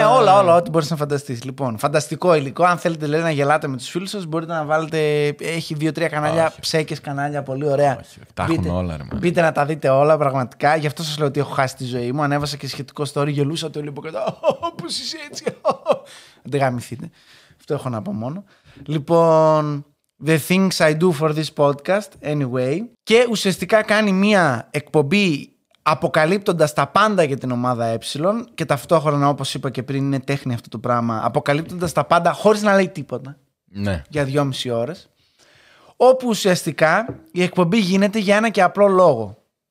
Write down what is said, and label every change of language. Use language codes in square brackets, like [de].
[el] Ναι, όλα, ό,τι μπορείς να φανταστείς. Λοιπόν, φανταστικό υλικό. Αν θέλετε λέει, να γελάτε με τους φίλους σας, μπορείτε να βάλετε. Έχει 2-3 κανάλια, ψέκες κανάλια, πολύ ωραία. Τα έχουν όλα, ρε. Μπείτε να τα δείτε όλα, πραγματικά. Γι' αυτό σας λέω ότι έχω χάσει τη ζωή μου. Ανέβασα και σχετικό story, γελούσα το υλικό και πώς είσαι έτσι. Δεν γαμηθείτε. Αυτό έχω να πω μόνο. Λοιπόν. [en] The things I do for this podcast, anyway. [el] Και ουσιαστικά κάνει μία εκπομπή αποκαλύπτοντας τα πάντα για την ομάδα Ε. Και ταυτόχρονα, όπως είπα και πριν, είναι τέχνη αυτό το πράγμα. Αποκαλύπτοντας τα πάντα χωρίς να λέει τίποτα. Ναι. Για 2,5 ώρες. Όπου ουσιαστικά η εκπομπή γίνεται για ένα και απλό λόγο.